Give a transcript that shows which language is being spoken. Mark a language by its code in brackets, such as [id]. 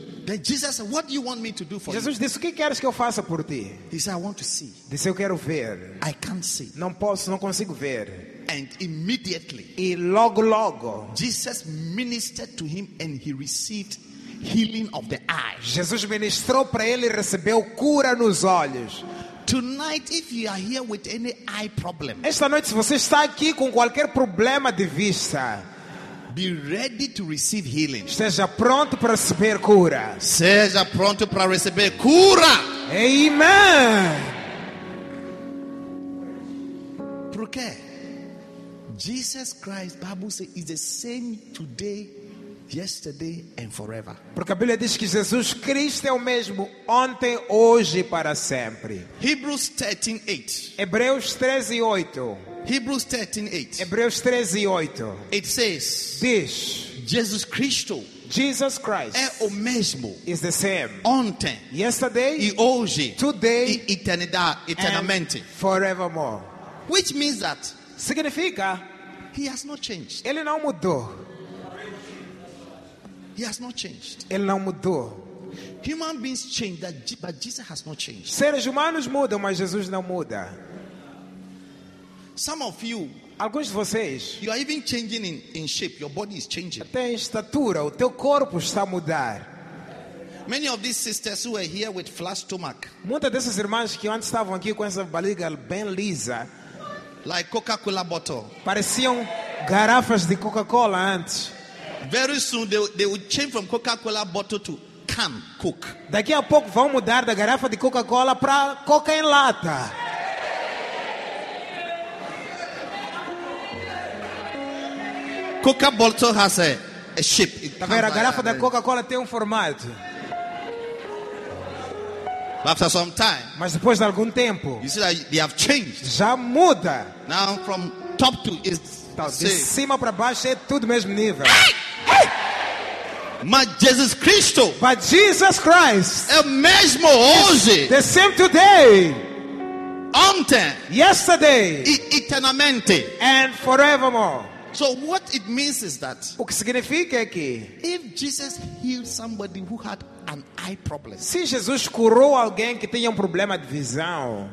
[en] Then Jesus said, "What do you want me to do for Jesus you?" [pt] Jesus disse, o que queres que eu faça por ti? [en] He said, "I want to see." [pt] Disse, eu quero ver. [en] I can't see. [pt] Não posso, não consigo ver. [en] And immediately, [pt] e logo, [en] Jesus ministered to him and he received healing of the eyes. [pt] Jesus ministrou para ele e recebeu cura nos olhos. [en] Tonight, if you are here with any eye problem, [pt] esta noite, se você está aqui com qualquer problema de vista, [en] be ready to receive healing. [pt] Esteja pronto para receber cura. Seja pronto para receber cura. [en] Amen. [pt] Por quê? [en] Jesus Christ, Bible says, is the same today, yesterday, and forever. [pt] Porque a Bíblia diz que Jesus Cristo é o mesmo ontem, hoje e para sempre. [en] Hebrews 13:8. [pt] Hebreus 13:8. [en] Hebrews 13:8. [pt] Hebreus 13:8. [en] It says, [pt] diz, Jesus Cristo, [en] Jesus Christ, [pt] é o mesmo, [en] is the same, [pt] ontem, [en] yesterday, [pt] e hoje, [en] today, [pt] e eternidade, eternamente, [en] and forevermore. Which means that, [pt] significa, [en] he has not changed. [pt] Ele não mudou. [en] He has not changed. [pt] Ele não mudou. [en] Human beings change, but Jesus has not changed. [pt] Seres humanos mudam, mas Jesus não muda. [en] Some of you, [pt] alguns de vocês, [en] you are even changing in shape. Your body is changing. [pt] Até em estatura, o teu corpo está a mudar. [en] Many of these sisters who were here with flat stomach, [pt] muitas dessas irmãs que antes estavam aqui com essa barriga bem lisa, [en] like Coca-Cola bottle, [pt] pareciam garrafas de Coca-Cola antes. [en] Very soon they will change from Coca-Cola bottle to can Coke. [pt] Daqui a pouco vão mudar da garrafa de Coca-Cola para Coca em lata. [en] Coca bottle has a shape. [pt] Tá vendo? A garrafa da Coca-Cola tem formato. [en] After some time, [pt] mas depois de algum tempo, [en] you see that they have changed. [pt] Já muda. [en] Now from top to is [pt] então, de cima para baixo é tudo mesmo nível. Mas Jesus Cristo, [en] but Jesus Christ, [pt] é mesmo hoje, [en] the same today, [pt] ontem, [en] yesterday, [pt] eternamente, [en] and forevermore. So what it means is that, [pt] o que significa é que, [en] if Jesus healed somebody who had an eye problem, [pt] se Jesus curou alguém que tinha problema de visão,